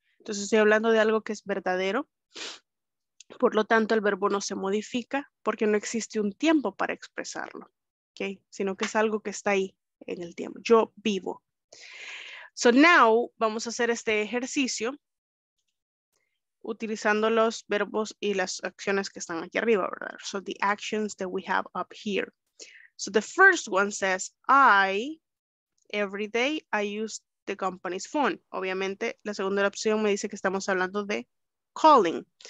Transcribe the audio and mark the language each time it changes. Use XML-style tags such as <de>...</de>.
<es>Entonces estoy hablando de algo que es verdadero. Por lo tanto, el verbo no se modifica porque no existe un tiempo para expresarlo. ¿Okay? Sino que es algo que está ahí. en el tiempo. Yo vivo.</es> <en>So now,</en> <es>vamos a hacer este ejercicio utilizando los verbos y las acciones que están aquí arriba, ¿verdad?</es> <en>So the actions that we have up here. So the first one says, I, every day, I use the company's phone.</en> <es>Obviamente, la segunda opción me dice que estamos hablando de calling.</es>